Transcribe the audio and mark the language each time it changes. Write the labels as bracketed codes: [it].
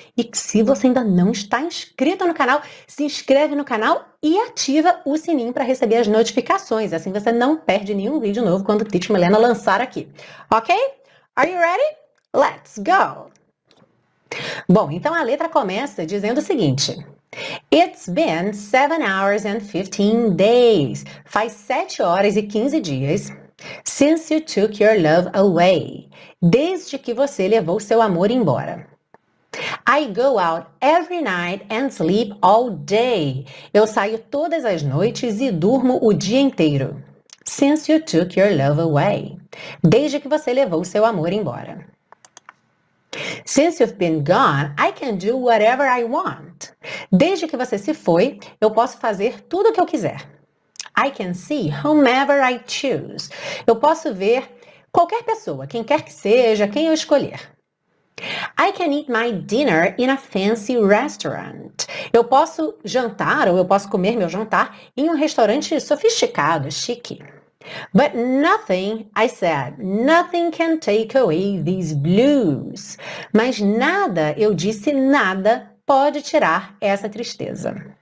[pt] E que se você ainda não está inscrito no canal, se inscreve no canal e ativa o sininho para receber as notificações. Assim você não perde nenhum vídeo novo quando o Teach Milena lançar aqui. Ok? [en] Are you ready? Let's go! [pt] Bom, então a letra começa dizendo o seguinte. [en] It's been 7 hours and 15 days. [pt] Faz 7 horas e 15 dias [en] since you took your love away. [pt] Desde que você levou seu amor embora. [en] I go out every night and sleep all day. [pt] Eu saio todas as noites e durmo o dia inteiro. [en] Since you took your love away. [pt] Desde que você levou seu amor embora. [en] Since you've been gone, I can do whatever I want. [pt] Desde que você se foi, eu posso fazer tudo o que eu quiser. [en] I can see whomever I choose. [pt] Eu posso ver qualquer pessoa, quem quer que seja, quem eu escolher. [en] I can eat my dinner in a fancy restaurant. [pt] Eu posso jantar ou eu posso comer meu jantar em um restaurante sofisticado, chique. [en] But nothing, I said, nothing can take away these blues. [pt] Mas nada, eu disse, nada pode tirar essa tristeza.